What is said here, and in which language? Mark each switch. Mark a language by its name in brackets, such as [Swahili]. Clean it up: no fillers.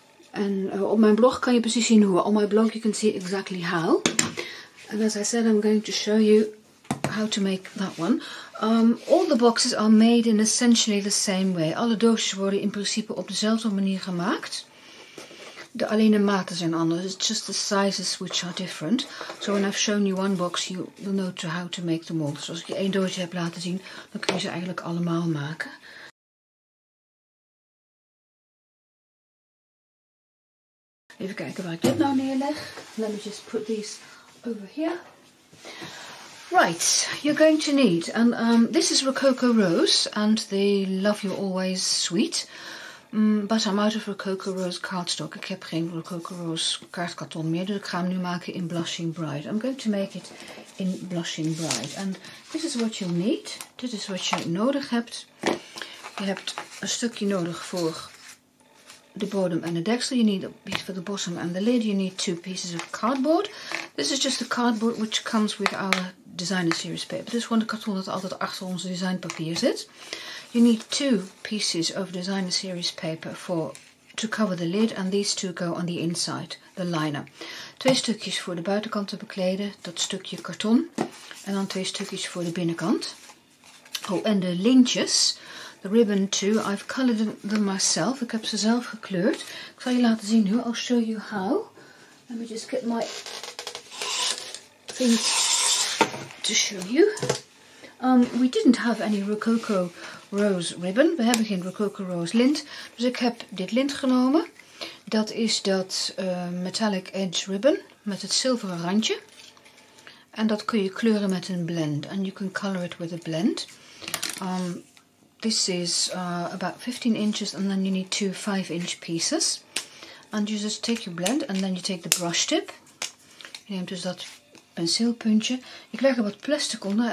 [Dutch] En op mijn blog kan je precies zien hoe. [English] On my blog you can see exactly how. And as I said, I'm going to show you how to make that one. All the boxes are made in essentially the same way. [Dutch] Alle doosjes worden in principe op dezelfde manier gemaakt. Alleen de maten zijn anders. [English] It's just the sizes which are different. So when I've shown you one box, you will know to how to make them all. [Dutch] Dus als ik je één doosje heb laten zien, dan kun je ze eigenlijk allemaal maken. Even kijken waar ik dit nou neerleg. [English] Let me just put these over here. Right, you're going to need, and this is Rococo Rose, and they love you always sweet, but I'm out of Rococo Rose cardstock. [Dutch] Ik heb geen Rococo Rose kaartkarton meer, dus ik ga hem nu maken in Blushing Bride. [English] I'm going to make it in Blushing Bride, and this is what you'll need, [Dutch] dit is wat je nodig hebt. Je hebt een stukje nodig voor [English] the bottom and the dexter, you need a piece for the bottom and the lid, you need two pieces of cardboard. This is just the cardboard which comes with our designer series paper. This one, the [Dutch] karton dat altijd achter onze designpapier zit. [English] You need two pieces of designer series paper to cover the lid and these two go on the inside, the liner. [Dutch] Twee stukjes voor de buitenkant te bekleden, dat stukje karton. En dan twee stukjes voor de binnenkant. Oh, en de lintjes. [English] The ribbon too, I've colored them myself. [Dutch] Ik heb ze zelf gekleurd. Ik zal je laten zien hoe. [English] I'll show you how. Let me just get my things to show you. We didn't have any Rococo Rose ribbon. [Dutch] We hebben geen Rococo Rose lint. Dus ik heb dit lint genomen. Dat is dat metallic edge ribbon met het zilveren randje. En dat kun je kleuren met een blend. [English] And you can color it with a blend. This is about 15 inches and then you need two 5-inch pieces. And you just take your blend and then you take the brush tip. [Dutch] Je neemt dus dat penseelpuntje. Ik leg er wat plastic onder.